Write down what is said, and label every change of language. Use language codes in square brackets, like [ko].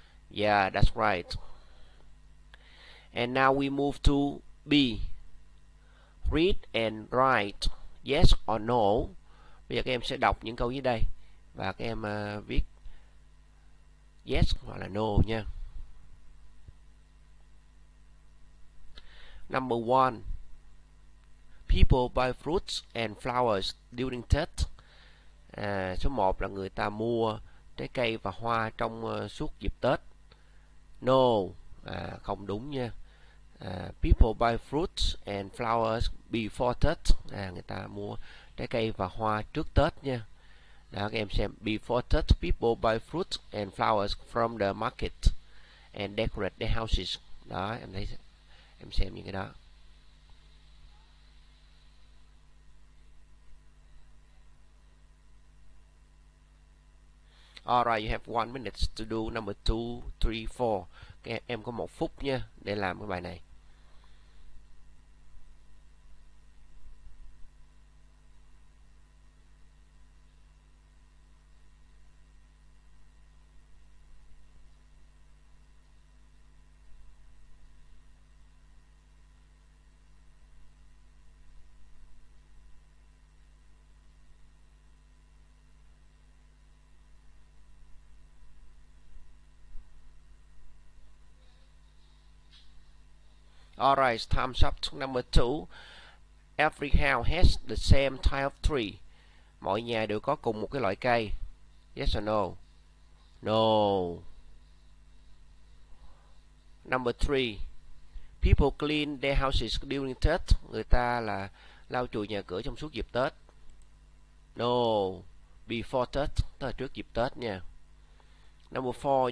[en] Yeah, that's right. And now we move to B. Read and write yes or no. [vi] Bây giờ các em sẽ đọc những câu dưới đây và các em viết yes hoặc là no nha. [en] Number one, people buy fruits and flowers during Tết. [vi] Số 1 là người ta mua trái cây và hoa trong suốt dịp Tết. [en] No, [vi] không đúng nha. [en] People buy fruits and flowers before Tết. [vi] Người ta mua trái cây và hoa trước Tết nha. Đó, các em xem. [en] Before Tết, people buy fruits and flowers from the market and decorate their houses. [vi] Đó, em thấy. Em xem những cái đó. [en] Alright, you have 1 minute to do number 2, 3, 4. [vi] Em có 1 phút nha để làm cái bài này. [en] Alright, time's up. Number 2. Every house has the same type of tree. [vi] Mọi nhà đều có cùng một cái loại cây. [en] Yes or no? No. Number 3. People clean their houses during Tết. [vi] Người ta là lau chùi nhà cửa trong suốt dịp Tết. [en] No. Before Tết. [vi] Tức là trước dịp Tết nha. [en] Number 4.